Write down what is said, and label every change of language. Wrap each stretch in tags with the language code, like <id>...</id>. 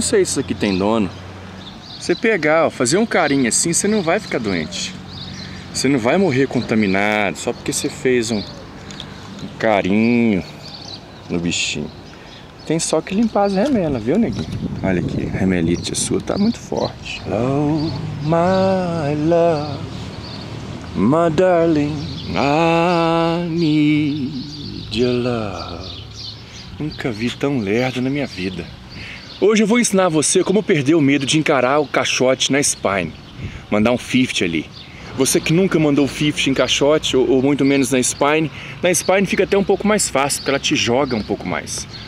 <pt>Não sei se isso aqui tem dono. Você pegar, ó, fazer um carinho assim, você não vai ficar doente. Você não vai morrer contaminado só porque você fez um carinho no bichinho. Tem só que limpar as remelas, viu, neguinho? Olha aqui, a remelite sua tá muito forte.</pt> <en>Oh, my love, my darling, I need your love.</en> <pt>Nunca vi tão lerdo na minha vida. Hoje eu vou ensinar você como perder o medo de encarar o caixote na spine. Mandar um 50 ali. Você que nunca mandou 50 em caixote, ou muito menos na spine. Na spine fica até um pouco mais fácil, porque ela te joga um pouco mais.</pt>